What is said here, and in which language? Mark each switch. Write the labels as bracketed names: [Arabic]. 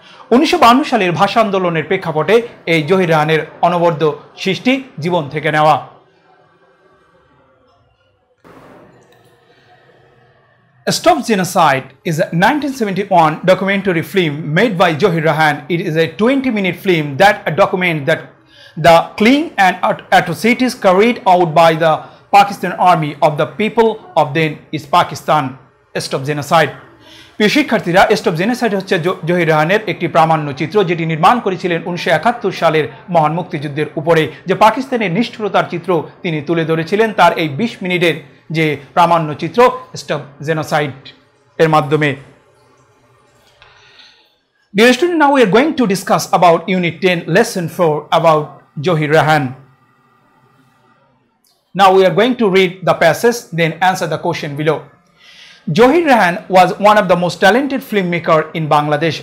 [Bangla] 1952 সালের ভাষা আন্দোলনের প্রেক্ষাপটে এই জহির রায়হানের অনবদ্য সৃষ্টি জীবন থেকে নেওয়া। [English] Stop Genocide is a 1971 documentary film made by Zahir Raihan. It is a 20-minute film that documents that the killing and atrocities carried out by the Pakistan army of the people of then is Pakistan. Stop Genocide. [Bangla] প্রিয় শিক্ষার্থীরা, stop genocide হচ্ছে জহির রায়হানের একটি প্রামাণ্য চিত্র, যেটি নির্মাণ করেছিলেন 1971 সালের মহান মুক্তিযুদ্ধের উপরে, যে পাকিস্তানের নিষ্ঠুরতার চিত্র তিনি তুলে ধরেছিলেন তার এই 20 মিনিটের যে প্রামাণ্য চিত্র স্টপ জেনোসাইড এর মাধ্যমে। [English] Dear student, now we are going to discuss about unit 10 lesson 4 about Zahir Raihan. Now we are going to read the passage then answer the question below. Zahir Raihan was one of the most talented filmmaker in Bangladesh.